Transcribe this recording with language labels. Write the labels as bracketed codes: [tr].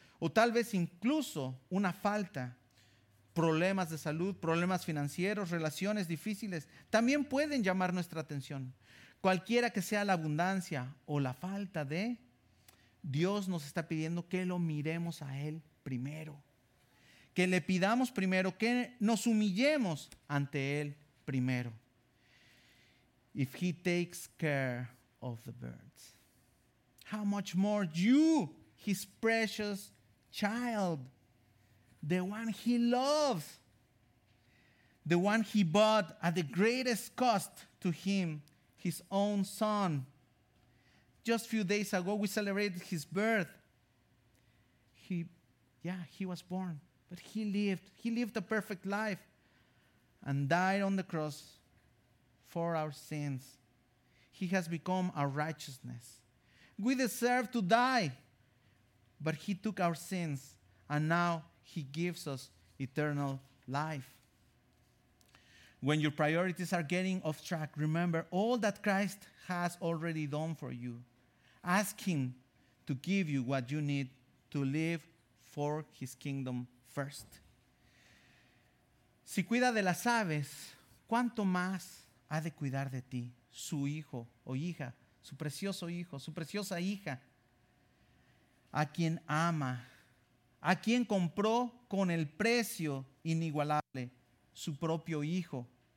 [es] O tal vez incluso una falta, problemas de salud, problemas financieros, relaciones difíciles, también pueden llamar nuestra atención. Cualquiera que sea la abundancia o la falta de, Dios nos está pidiendo que lo miremos a Él primero. Que le pidamos primero, que nos humillemos ante Él primero. [en] If He takes care of the birds, how much more you, His precious child, the one He loves, the one He bought at the greatest cost to Him, His own Son. Just a few days ago, we celebrated His birth. He was born. But he lived a perfect life and died on the cross for our sins. He has become our righteousness. We deserve to die, but He took our sins and now He gives us eternal life. When your priorities are getting off track, remember all that Christ has already done for you. Ask Him to give you what you need to live for His kingdom. [es] First, si cuida de las aves, ¿cuánto más ha de cuidar de ti, su hijo o hija, su precioso hijo, su preciosa hija, a quien ama, a quien compró con el precio inigualable, su propio hijo?